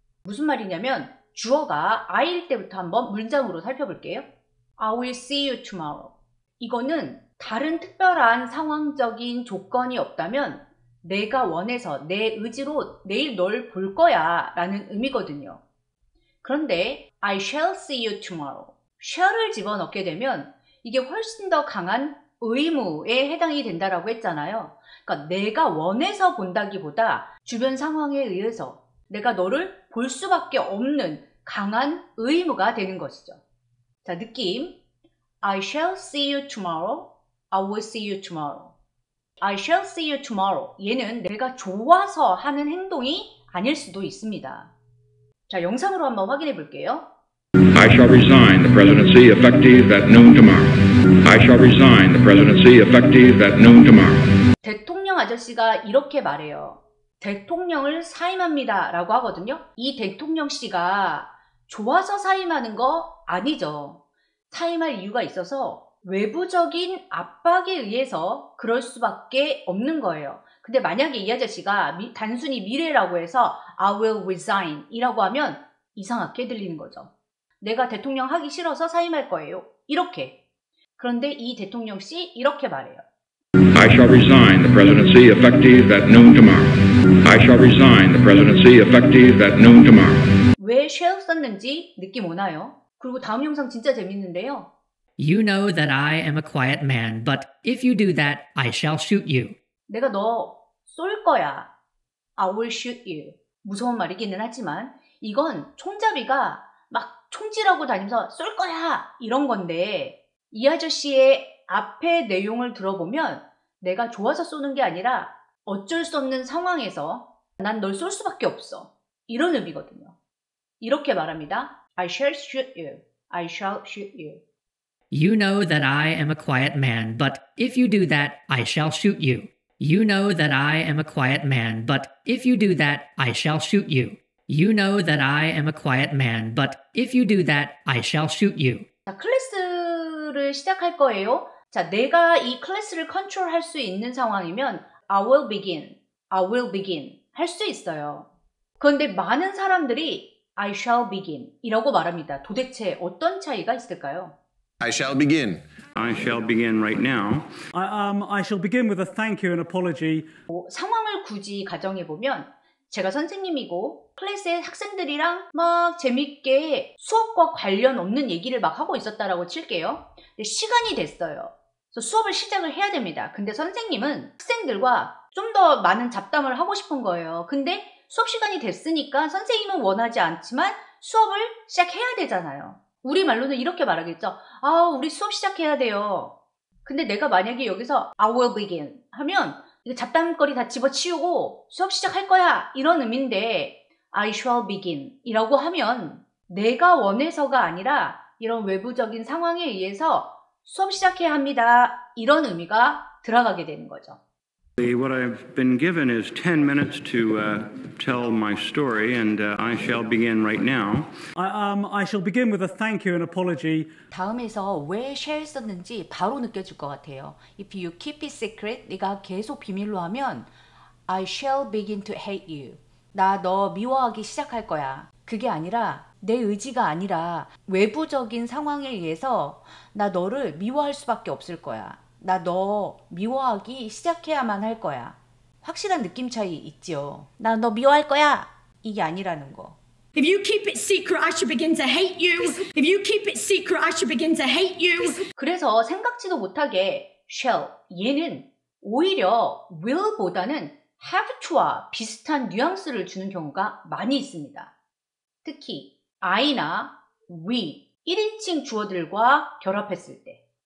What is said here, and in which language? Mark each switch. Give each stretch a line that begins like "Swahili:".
Korean: 무슨 말이냐면 주어가 I일 때부터 한번 문장으로 살펴볼게요.
English: I will see you tomorrow.
Korean: 이거는 다른 특별한 상황적인 조건이 없다면 내가 원해서 내 의지로 내일 널 볼 거야 라는 의미거든요. 그런데
English: I shall see you tomorrow.
Korean: shall을 집어넣게 되면 이게 훨씬 더 강한 의무에 해당이 된다라고 했잖아요. 그러니까 내가 원해서 본다기보다 주변 상황에 의해서 내가 너를 볼 수밖에 없는 강한 의무가 되는 것이죠. 자, 느낌.
English: I shall see you tomorrow. I will see you tomorrow. I shall see you tomorrow.
Korean: 얘는 내가 좋아서 하는 행동이 아닐 수도 있습니다. 자, 영상으로 한번 확인해 볼게요.
English: I shall resign the presidency effective at noon tomorrow. I shall resign the presidency effective at noon tomorrow.
Korean: 대통령 아저씨가 이렇게 말해요. 대통령을 사임합니다 라고 하거든요. 이 대통령 씨가 좋아서 사임하는 거 아니죠. 사임할 이유가 있어서 외부적인 압박에 의해서 그럴 수밖에 없는 거예요. 근데 만약에 이 아저씨가 단순히 미래라고 해서
English: I will resign
Korean: 이라고 하면 이상하게 들리는 거죠. 내가 대통령 하기 싫어서 사임할 거예요. 이렇게. 그런데 이 대통령 씨 이렇게 말해요.
English: I shall resign the presidency effective at noon tomorrow. I shall resign the presidency effective at noon tomorrow.
Korean: 왜 shall 썼는지 느낌 오나요? 그리고 다음 영상 진짜 재밌는데요.
English: You know that I am a quiet man, but if you do that, I shall shoot you.
Korean: 내가 너 쏠 거야.
English: I will shoot you.
Korean: 무서운 말이기는 하지만 이건 총잡이가 막 총질하고 다니면서 쏠 거야 이런 건데 이 아저씨의 앞에 내용을 들어보면 내가 좋아서 쏘는 게 아니라 어쩔 수 없는 상황에서 난 널 쏠 수밖에 없어 이런 의미거든요. 이렇게 말합니다.
English: I shall shoot you.
Korean: I shall shoot you.
English: You know that I am a quiet man, but if you do that, I shall shoot you. You know that I am a quiet man, but if you do that, I shall shoot you. You know that I am a quiet man, but if you do that, I shall shoot you.
Korean: 자, 클래스를 시작할 거예요. 자, 내가 이 클래스를 컨트롤할 수 있는 상황이면
English: I will begin, I will begin
Korean: 할 수 있어요. 그런데 많은 사람들이
English: I shall begin
Korean: 이라고 말합니다. 도대체 어떤 차이가 있을까요?
English: I shall begin. I shall begin right now. I shall begin with a thank you and apology.
Korean: 뭐, 상황을 굳이 가정해보면 제가 선생님이고 클래스의 학생들이랑 막 재밌게 수업과 관련 없는 얘기를 막 하고 있었다라고 칠게요. 시간이 됐어요. 그래서 수업을 시작을 해야 됩니다. 근데 선생님은 학생들과 좀 더 많은 잡담을 하고 싶은 거예요. 근데 수업 시간이 됐으니까 선생님은 원하지 않지만 수업을 시작해야 되잖아요. 우리 말로는 이렇게 말하겠죠. 아, 우리 수업 시작해야 돼요. 근데 내가 만약에 여기서
English: I will begin
Korean: 하면 잡담거리 다 집어치우고 수업 시작할 거야 이런 의미인데
English: I shall begin
Korean: 이라고 하면 내가 원해서가 아니라 이런 외부적인 상황에 의해서 수업 시작해야 합니다 이런 의미가 들어가게 되는 거죠.
English: What I've been given is 10 minutes to tell my story and I shall begin right now. I shall begin with a thank you and apology.
Korean: 다음에서 왜 shall 썼는지 바로 느껴질 것 같아요.
English: If you keep it secret,
Korean: 네가 계속 비밀로 하면
English: I shall begin to hate you.
Korean: 나 너 미워하기 시작할 거야. 그게 아니라 내 의지가 아니라 외부적인 상황에 의해서 나 너를 미워할 수밖에 없을 거야. 나 너 미워하기 시작해야만 할 거야. 확실한 느낌 차이 있죠. 나 너 미워할 거야. 이게 아니라는 거.
English: If you keep it secret, I should begin to hate you. If you keep it secret, I should begin to hate you.
Korean: 그래서 생각지도 못하게 shall 얘는 오히려 will보다는 have to와 비슷한 뉘앙스를 주는 경우가 많이 있습니다. 특히 I나 we 1인칭 주어들과 결합했을 때.